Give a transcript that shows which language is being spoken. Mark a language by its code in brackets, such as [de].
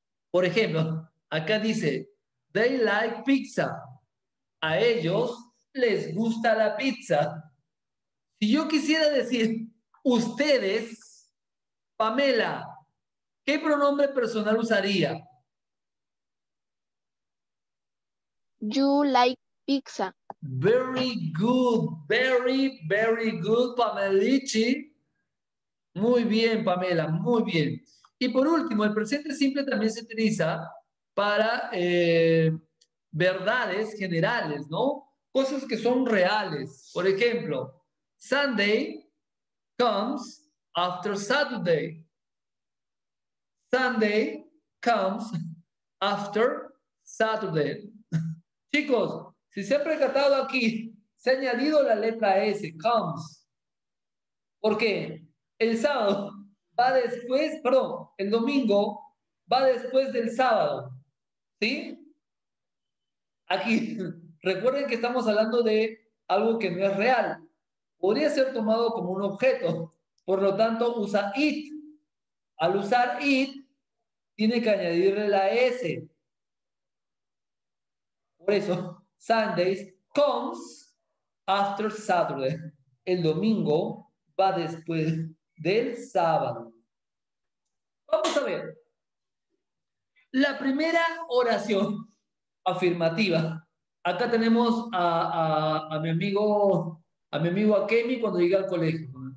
[es] Por ejemplo, acá dice, [en] they like pizza. [es] A ellos les gusta la pizza. Si yo quisiera decir, ustedes, Pamela, ¿qué pronombre personal usaría? [en] You like pizza. Very good, very, very good, Pamelichi. [es] Muy bien, Pamela, muy bien. Y por último, el presente simple también se utiliza para verdades generales, ¿no? Cosas que son reales. Por ejemplo, [en] Sunday comes after Saturday. Sunday comes after Saturday. [es] Chicos, si se han percatado aquí, se ha añadido la letra S, comes. ¿Por qué? El sábado va después, perdón, el domingo va después del sábado. ¿Sí? Aquí, recuerden que estamos hablando de algo que no es real. Podría ser tomado como un objeto. Por lo tanto, usa it. Al usar it, tiene que añadirle la S. Por eso, [en] Sundays comes after Saturday. [es] El domingo va después del sábado. Vamos a ver. La primera oración afirmativa. Acá tenemos a mi amigo Akemi cuando llega al colegio.